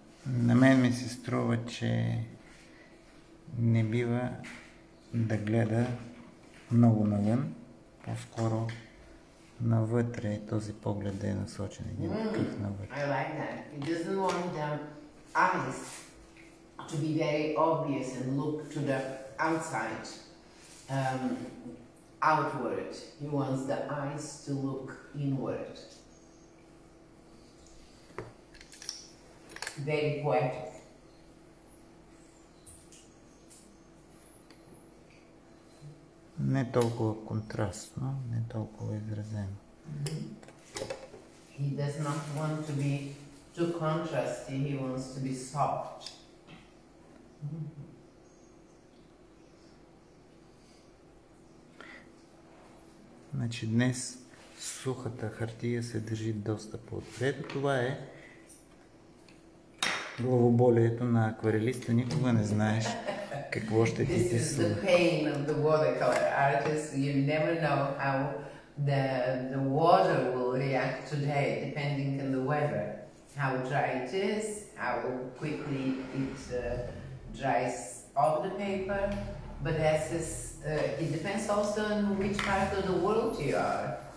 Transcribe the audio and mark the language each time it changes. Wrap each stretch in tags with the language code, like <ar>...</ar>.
<bg>На мен ми се струва, че не бива да гледа много навън. По-скоро навътре този поглед да е насочен. Един такъв навътре.</bg> <en>I like that. It doesn't want the eyes to be very obvious and look to the outside. Outward. He wants the eyes to look inward. Very poetic.</en> <bg>Не толкова контрастно, не толкова изразено. He does not want to be too contrasty, he wants to be soft. Значи днес сухата хартия се държи доста по-отпред. Това е главоболието на акварелиста. Никога не знаеш какво ще ти се случи.</bg> <en>This is the pain of the watercolor artist. You never know how the water will react today, depending on the weather. How dry it is, how quickly it dries off the paper. But as is it depends also on which part of the world you are.</en>